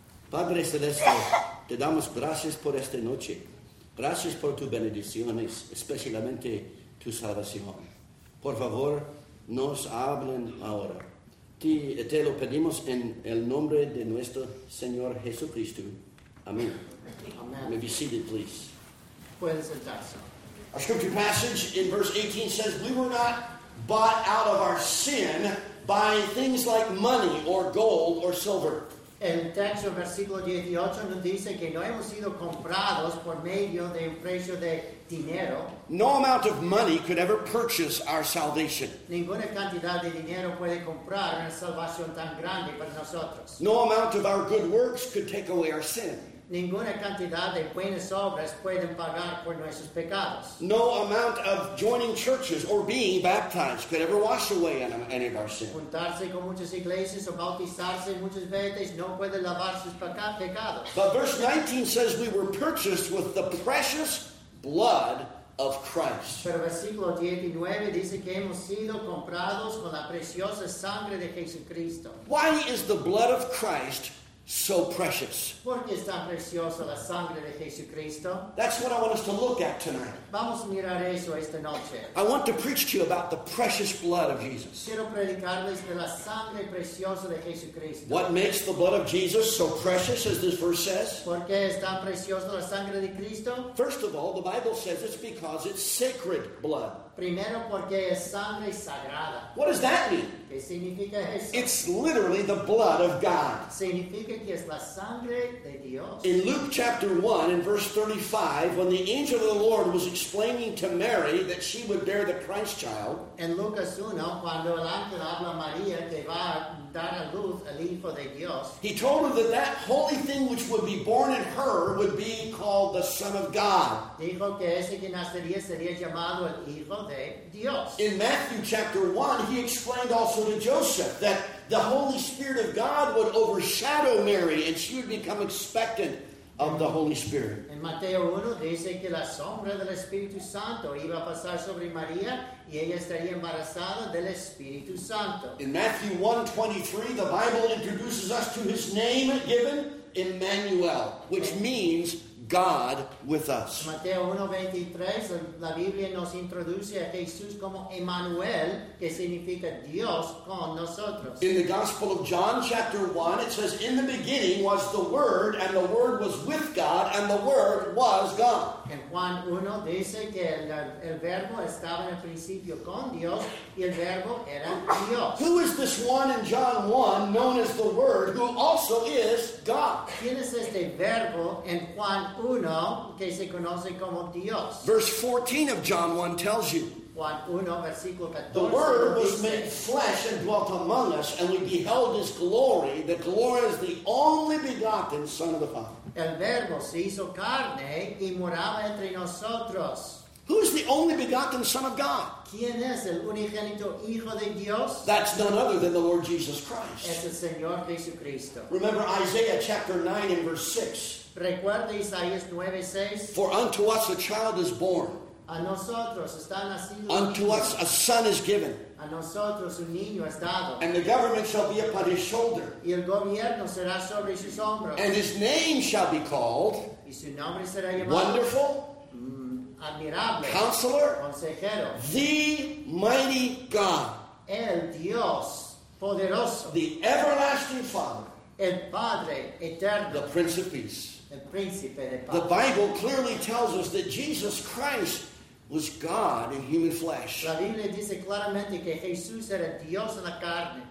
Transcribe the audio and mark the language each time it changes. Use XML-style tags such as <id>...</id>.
<es>Padre Celeste, te damos gracias por esta noche. Gracias por tus bendiciones, especialmente tu salvación. Por favor, nos hablen ahora. Te lo pedimos en el nombre de nuestro Señor Jesucristo. Amén.</es> <en>Amen. May be seated, please.</en> <es>Puede sentarse.</es> <en>Our scripture passage in verse 18 says, we were not bought out of our sin by things like money or gold or silver.</en> <es>El texto, versículo 18, nos dice que no hemos sido comprados por medio de un precio de dinero.</es> <en>No amount of money could ever purchase our salvation.</en> <es>Ninguna cantidad de dinero puede comprar una salvación tan grande para nosotros.</es> <en>No amount of our good works could take away our sin.</en> <es>Ninguna cantidad de buenas obras pueden pagar por nuestros pecados.</es> <en>No amount of joining churches or being baptized could ever wash away any of our sin.</en> <es>Juntarse con muchas iglesias o bautizarse muchas veces no puede lavar sus pecados.</es> <en>But verse 19 says we were purchased with the precious blood of Christ.</en> <es>Pero versículo 19 dice que hemos sido comprados con la preciosa sangre de Jesucristo.</es> <en>Why is the blood of Christ so precious?</en> <es>¿Por qué es tan preciosa la sangre de Jesucristo?</es> <en>That's what I want us to look at tonight.</en> <es>Vamos a mirar eso esta noche.</es> <en>I want to preach to you about the precious blood of Jesus.</en> <es>Quiero predicarles de la sangre preciosa de Jesucristo.</es> <en>What makes the blood of Jesus so precious, as this verse says?</en> <es>¿Por qué es tan preciosa la sangre de Cristo?</es> <en>First of all, the Bible says it's because it's sacred blood.</en> <es>Primero porque es sangre sagrada.</es> <en>What does that mean?</en> <es>¿Qué significa eso?</es> <en>It's literally the blood of God.</en> <es>Significa que es la sangre de Dios.</es> <en>In Luke chapter 1 in verse 35, when the angel of the Lord was explaining to Mary that she would bear the Christ child.</en> <es>En Lucas 1, cuando el ángel habla a María que va a dar a luz al hijo de Dios.</es> <en>He told her that that holy thing which would be born in her would be called the Son of God.</en> <es>Dijo que ese que nacería sería llamado el hijo.</es> <en>In Matthew chapter 1, he explained also to Joseph that the Holy Spirit of God would overshadow Mary and she would become expectant of the Holy Spirit.</en> <es>En Mateo 1 dice que la sombra del Espíritu Santo iba a pasar sobre María y ella estaría embarazada del Espíritu Santo.</es> <en>In Matthew 1:23, the Bible introduces us to his name given, Emmanuel, which means God with us.</en> <es>Mateo 1:23, la Biblia nos introduce a Jesús como Emmanuel, que significa Dios con nosotros.</es> <en>In the Gospel of John chapter 1, it says, in the beginning was the Word, and the Word was with God, and the Word was God.</en> <es>En Juan 1 dice que el verbo estaba en el principio con Dios, y el verbo era Dios.</es> <en>Who is this one in John 1 known as the Word, who also is God?</en> <es>¿Quién es este verbo en Juan 1 que se conoce como Dios?</es> <en>Verse 14 of John 1 tells you.</en> <es>Juan 1, versículo 14.</es> <en>The Word was made flesh and dwelt among us, and we beheld his glory. The glory is the only begotten Son of the Father.</en> <es>El verbo se hizo carne y moraba entre nosotros.</es> <en>Who is the only begotten Son of God?</en> <es>¿Quién es el unigénito Hijo de Dios?</es> <en>That's none other than the Lord Jesus Christ.</en> <es>Es el Señor Jesucristo.</es> <en>Remember Isaiah chapter 9 and verse 6.</en> <es>Recuerda Isaías 9, 6.</es> <en>For unto us a child is born.</en> <es>A nosotros está nacido.</es> <en>Unto us a son is given.</en> <es>A nosotros un niño es dado.</es> <en>And the government shall be upon his shoulder.</en> <es>Y el gobierno será sobre sus hombros.</es> <en>And his name shall be called.</en> <es>Y su nombre será llamado.</es> <en>Wonderful.</en> <es>Admirable.</es> <en>Counselor.</en> <es>Consejero.</es> <en>The mighty God.</en> <es>El Dios poderoso.</es> <en>The everlasting Father.</en> <es>El Padre eterno.</es> <en>The Prince of Peace.</en> <es>El Príncipe de Paz.</es> <en>The Bible clearly tells us that Jesus Christ was God in human flesh.</en> <es>La Biblia dice claramente que Jesús era Dios en la carne.</es>